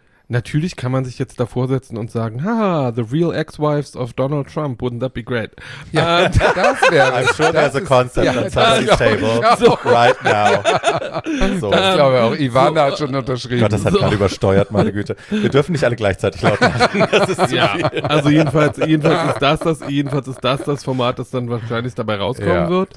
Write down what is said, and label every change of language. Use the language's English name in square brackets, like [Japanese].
[German] Natürlich kann man sich jetzt davor setzen und sagen, [English] haha, the real ex-wives of Donald Trump, wouldn't that be great? [German] Ja, das wäre. [English] I'm sure there's a concept on somebody's table right now. [German] Ja. So. Das glaube ich auch. Ivana hat schon unterschrieben. Gott, das hat gerade übersteuert, meine Güte. Wir dürfen nicht alle gleichzeitig laut machen. Also jedenfalls ist das Format, das dann wahrscheinlich dabei rauskommen wird.